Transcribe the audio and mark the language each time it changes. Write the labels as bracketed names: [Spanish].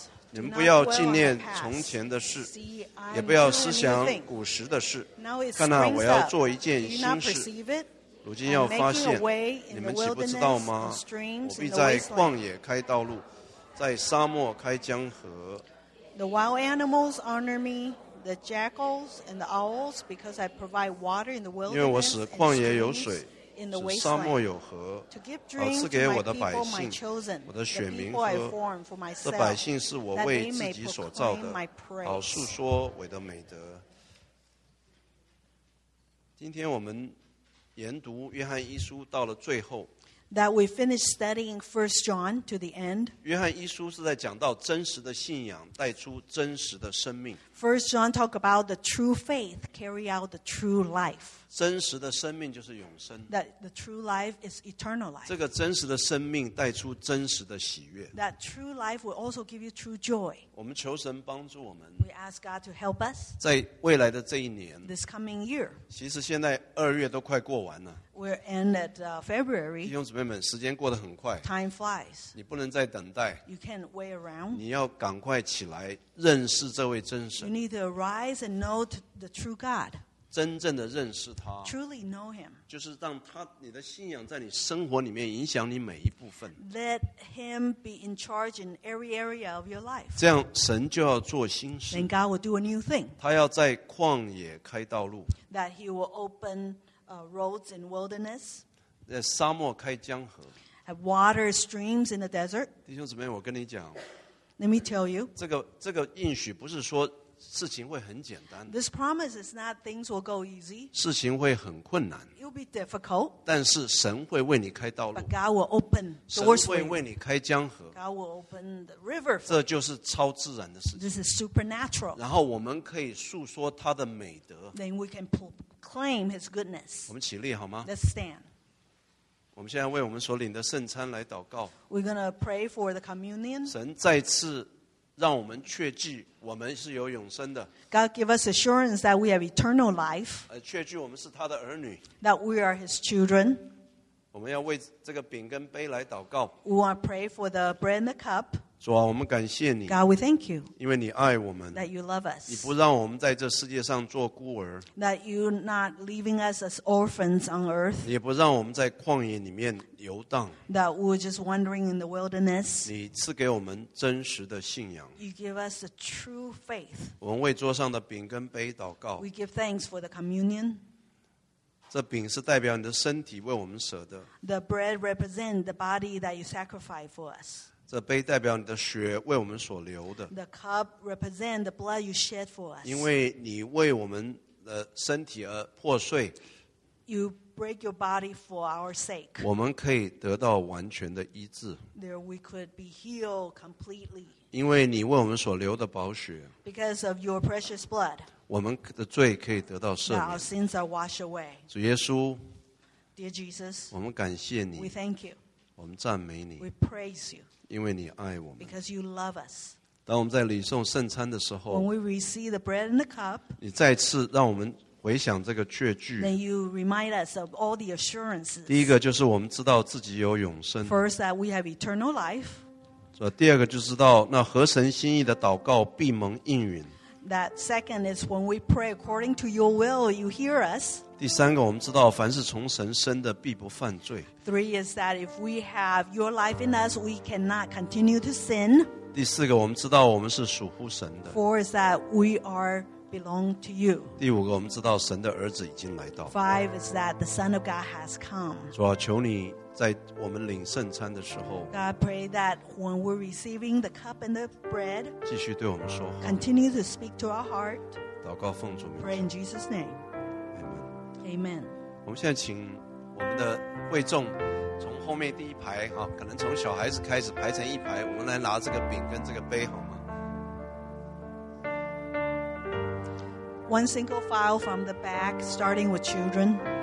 [Chinese] 你们不要纪念从前的事， [English] See, [Chinese] 也不要思想古时的事。看哪，我要做一件新事， [English] it, [Chinese] 如今要发现，你们岂不知道吗？我必在旷野开道路，在沙漠开江河。 [English] The wild animals honor me. The jackals and the owls, because I provide water in the wilderness. [Chinese] 因为我使旷野有水，使沙漠有河，好赐给我的百姓、我的选民喝。这百姓是我为自己所造的，好述说我的美德。今天我们研读约翰一书到了最后。 [English] That we finished studying 1 John to the end. [Chinese] 约翰一书是在讲到真实的信仰带出真实的生命。 [English] 1 John talk about the true faith carry out the true life. [Chinese] 真实的生命就是永生。 [English] That the true life is eternal life. [Chinese] 这个真实的生命带出真实的喜悦。 [English] That true life will also give you true joy. [Chinese] 我们求神帮助我们。 [English] We ask God to help us. [Chinese] 在未来的这一年。 [English] This coming year. [Chinese] 其实现在二月都快过完了。 [English] We're end at February. [Chinese] 弟兄姊妹们，时间过得很快。 [English] Time flies. [Chinese] 你不能再等待。 [English] You can't wait around. [Chinese] 你要赶快起来认识这位真神。 [English] You need to arise and know the true God. [Chinese] 真正的认识他 [English] truly know him [Chinese] 就是让他你的信仰在你生活里面影响你每一部分 [English] let him be in charge in every area of your life [Chinese] 这样神就要做新事 [English] then God will do a new thing [Chinese] 他要在旷野开道路 [English] that he will open roads in wilderness [Chinese] 在沙漠开江河 [English] have water streams in the desert [Chinese] 弟兄姊妹我跟你讲 [English] let me tell you [Chinese] 这个应许不是说事情会很简单。 [English] This promise is not things will go easy. [Chinese] 事情会很困难。 [English] It will be difficult. [Chinese] 但是神会为你开道路。 [English] But God will open doors. [Chinese] 神会为你开江河。 [English] God will open the river. [Chinese] 这就是超自然的事情。 [English] This is supernatural. [Chinese] 然后我们可以述说他的美德。 [English] Then we can proclaim his goodness. [Chinese] 我们起立好吗 [English] ？Let's stand. [Chinese] 我们现在为我们所领的圣餐来祷告。 [English] We're gonna pray for the communion. [Chinese] 神再次。让我们确据我们是有永生的。 [English] God give us assurance that we have eternal life. [Chinese] 确据我们是他的儿女。 [English] That we are his children. [Chinese] 我们要为这个饼跟杯来祷告。 [English] We want to pray for the bread and the cup. [Chinese] 主啊，我们感谢你。 [English] God, we thank you. [Chinese] 因为你爱我们。 [English] That you love us. [Chinese] 你不让我们在这世界上做孤儿。 [English] That you're not leaving us as orphans on earth. [Chinese] 也不让我们在旷野里面。游荡 [English] that we're just wandering in the wilderness. [Chinese] 你赐给我们真实的信仰。 [English] You give us a true faith. [Chinese] 我们为桌上的饼跟杯祷告。 [English] We give thanks for the communion. [Chinese] 这饼是代表你的身体为我们舍的。 [English] The bread represents the body that you sacrificed for us. [Chinese] 这杯代表你的血为我们所流的。 [English] The cup represents the blood you shed for us. [Chinese] 因为你为我们的身体而破碎。 [English] You break your body for our sake. [Chinese] 我们可以得到完全的医治。 [English] There we could be healed completely. [Chinese] 因为你为我们所流的宝血。 [English] Because of your precious blood. [Chinese] 我们的罪可以得到赦免。 [English] Our sins are washed away. [Chinese] 主耶稣。 [English] Dear Jesus. [Chinese] 我们感谢你。 [English] We thank you. [Chinese] 我们赞美你。 [English] We praise you. [Chinese] 因为你爱我们。 [English] Because you love us. [Chinese] 当我们在礼送圣餐的时候。 [English] When we receive the bread and the cup. [Chinese] 你再次让我们。回想这个确据 [English] Then you remind us of all the assurances. [Chinese] 第一个就是我们知道自己有永生 [English] First that we have eternal life. [Chinese] 所以第二个就知道那合神心意的祷告必蒙应允 [English] That second is when we pray according to your will, you hear us. [Chinese] 第三个我们知道凡是从神生的必不犯罪 [English] Three is that if we have your life in us, we cannot continue to sin. [Chinese] 第四个我们知道我们是属乎神的 [English] Four is that we areBelong to you. [Chinese] 第五个，我们知道神的儿子已经来到。 [English] Five is that the Son of God has come. [Chinese] 主啊，求你在我们领圣餐的时候。 [English] God, pray that when we're receiving the cup and the bread. [Chinese] 继续对我们说话。 [English] Continue to speak to our heart. [Chinese] 祷告奉主名。 [English] Pray in Jesus' name. Amen. Amen. [Chinese] 我们现在请我们的会众从后面第一排哈，可能从小孩子开始排成一排，我们来拿这个饼跟这个杯好吗？ [English] One single file from the back, starting with children.